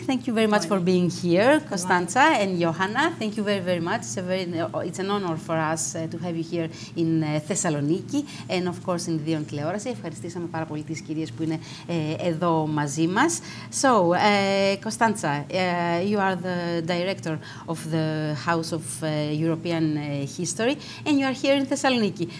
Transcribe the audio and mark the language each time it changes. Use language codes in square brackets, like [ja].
[en] Thank you very much for being here, Costanza and Johanna. Thank you very, very much. It's an honor for us to have you here in Thessaloniki and of course in Dion Tileorasi. [el] Ευχαριστήσαμε πάρα πολύ τις κυρίες που είναι εδώ μαζί μας. [en] So, Costanza, you are the director of the House of European History and you are here in Thessaloniki.